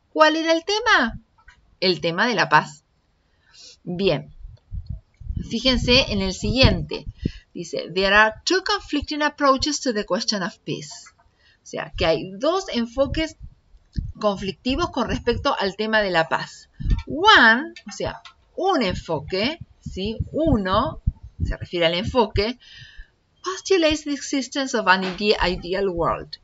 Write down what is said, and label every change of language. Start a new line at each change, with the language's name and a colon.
Spanish: ¿Cuál era el tema? El tema de la paz. Bien, fíjense en el siguiente.
English: Dice, there are two conflicting approaches to the question of peace.
Spanish: O sea, que hay dos enfoques conflictivos con respecto al tema de la paz. One, o sea, un enfoque, ¿sí? Uno, se refiere al enfoque,
English: postulates the existence of an ideal world.